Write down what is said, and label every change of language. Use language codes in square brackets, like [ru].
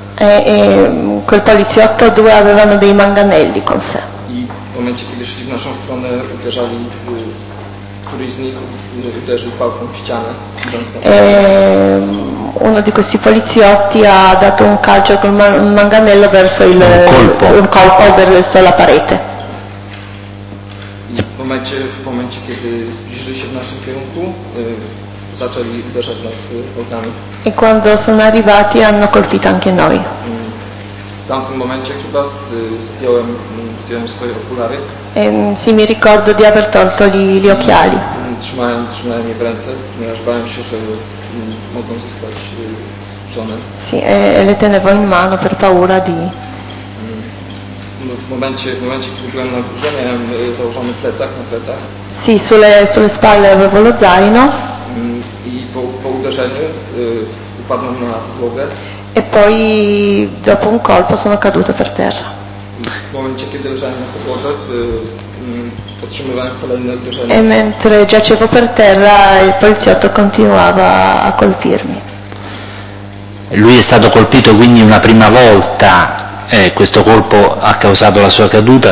[it] E quel poliziotto, due avevano dei manganelli con sé. [pl] I w momencie, kiedy szli w naszą stronę, uderzali któryś z nich uderzył pałką w ścianę. [it] Uno di questi poliziotti ha dato un calcio col manganello verso il un colpo verso la parete. [pl] W momencie kiedy zbliżyli się w naszym kierunku, zaczęli uderzać nas ognami. [it] E quando sono arrivati hanno colpito anche noi. [pl] W tamtym momencie chyba zdjąłem swoje okulary. [it] Sì, mi ricordo di aver tolto gli occhiali. [pl] Trzymałem je w ręce, ponieważ bałem się, że mogą zyskać żonę. [it] Sì, le tenevo in mano per paura di... [pl] W momencie, kiedy byłem na górze, miałem założony plecak na plecach. [it] Sì, sulle spalle avevo lo zaino. [pl] I po uderzeniu upadłem na podłogę. [it] E poi, dopo un colpo, sono caduto per terra. [pl] W momencie, kiedy leżałem na podłodze, otrzymywałem kolejne uderzenie. [it] E mentre giacevo per terra, il poliziotto continuava a colpirmi. Lui è stato colpito quindi una prima volta, questo colpo ha causato la sua caduta.